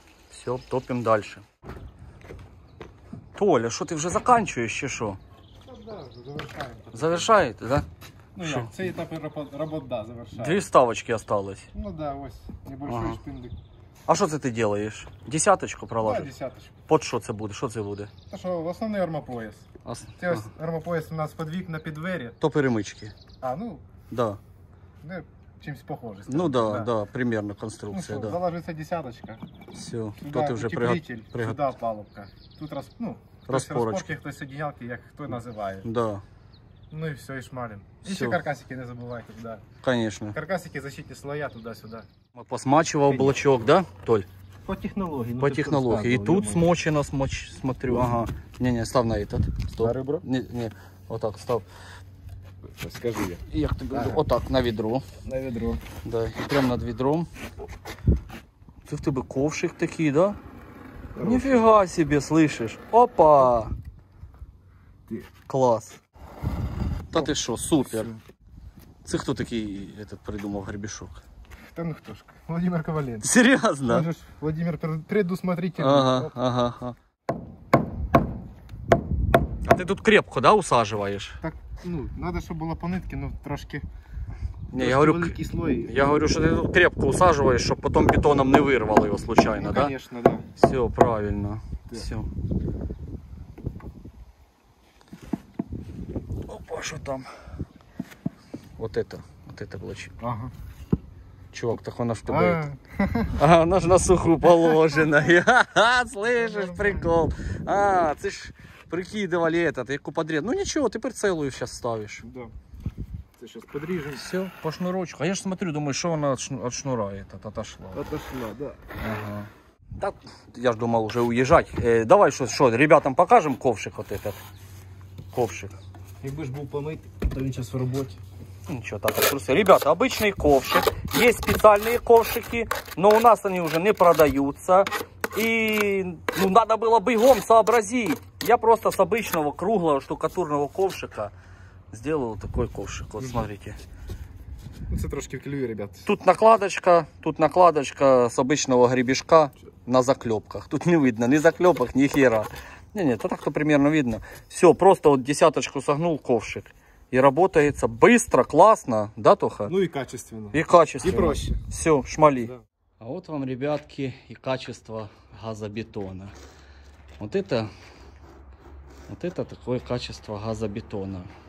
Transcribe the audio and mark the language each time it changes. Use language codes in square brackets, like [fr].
[ru] Все, топим дальше. Толя, что ты уже заканчиваешь, что? Да, завершаем. Завершает, да? Ну, шо? Я, [uk] цей [ru] этап работ, да, завершаю. Две вставочки осталось. Ну да, [uk] ось, [ru] небольшой ага. Шпиндик. А что ты делаешь? Десяточку проложишь? Да, десяточку. Под что это будет? Что это будет? Та что, основной армопояс. [uk] Армопояс у нас под вікна, під двері. То перемички. А, ну? [ru] Да. [uk] Ну, чимось похоже. [ru] Ну да, да, да, примерно конструкция, ну, да. Заложится десяточка. Все, то ты уже приготовил. Сюда палубка. [uk] Тут раз, ну, распорочки, хтось одеялки, як хто називає. [ru] Да. [uk] Ну і все, і шмалін. І ще каркасики не забувайте туди. Звісно. Каркасики, защитні слоя туди-сюди. [ru] Посмачував блочок, да, Толь? [uk] По технології. По технології. І тут смочено, смотрю. Ага. Ні-ні, [ru] став на этот. Стоп. На ребро? [uk] Ні-ні. Отак, став. Скажи. Як тобі? Ага. Отак, на відро. На відро. [ru] Да, прямо над відром. [uk] Це в тебе ковшик такий, да? Ніфіга собі, слышиш. Опа! Ти. Клас. Та ти що, супер. Це хто такий этот, придумав гребешок? Та ну хто ж, Володимир Коваленко. Серйозно? [ru] Ж, Володимир предусмотрительный. [uk] Ага. А ти тут крепко, да, усаживаєш? Так, ну, треба, щоб було по нитки, ну, трошки. Не, я говорю, великий [ru] слой. [uk] Я говорю, що ти тут крепко усаживаєш, щоб потім бетоном не вирвало його случайно, ну, [ru] да? [uk] Звісно, да. [ru] Все, правильно. Да. Все. Что там? Вот это. Вот это блочек. Ага. Чувак, так она ж тебе. А, она ж на суху положена. Слышишь, прикол. А, ты ж прикидывали этот, [uk] яку подрезать. [ru] Ну ничего, ты прицелую сейчас ставишь. Да. Ты сейчас подрежешь. Все, по шнурочку. А я ж смотрю, думаю, что она от шнура этот отошла. Отошла, да. Ага. Так, я ж думал уже уезжать. Давай, что, ребятам покажем ковшик вот этот. Ковшик. [uk] Якби ж був помитий, то він зараз в роботі. Нічого, так, просто. Ребята, обычний ковшик. Є спеціальні ковшики, але у нас вони вже не продаються. І, ну, треба було бігом сообразити. Я просто з обычного круглого штукатурного ковшика зробив такий ковшик. От, смотрите. Це трошки в клюві, ребят. Тут накладочка з обычного гребешка на закльопках. Тут не видно ні закльопок, ні хера. [ru] Не-не, то так-то примерно видно. Все, просто от десяточку согнул ковшик. И работается быстро, классно, да, Тоха? Ну и качественно. И качественно. И проще. Все, шмали. Да. А вот вам, ребятки, и качество газобетона. Вот это такое качество газобетона.